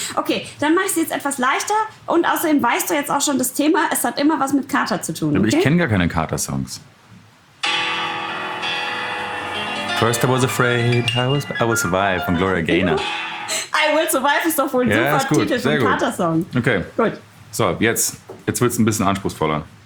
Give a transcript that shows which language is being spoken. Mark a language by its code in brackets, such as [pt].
[de] Okay, dann mache ich es jetzt etwas leichter. Und außerdem weißt du jetzt auch schon das Thema, es hat immer was mit Kater zu tun. Aber okay? Ich kenne gar keine Kater-Songs. [en] First I was afraid, I will survive von Gloria Gaynor. [de] I will survive ist doch wohl ein super Titel für einen Kater-Song. Okay. Gut. So, jetzt wird es ein bisschen anspruchsvoller.